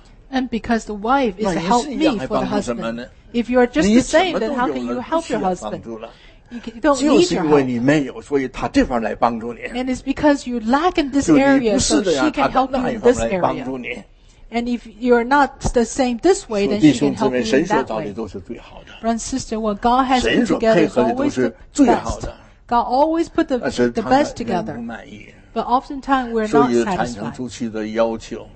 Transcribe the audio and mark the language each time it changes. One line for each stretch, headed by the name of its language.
English: And because the wife is a helpmeet for the husband. If you are just the same, then how can you help your husband? You don't need her.
Chinese: 就是因为你没有，所以他这方来帮助你。
English: And it's because you lack in this area, so she can help you in this area. And if you're not the same this way, then she can help you in that way. Brother and sister, what God has put together is always the best. God always put the best together. But oftentimes we're not satisfied.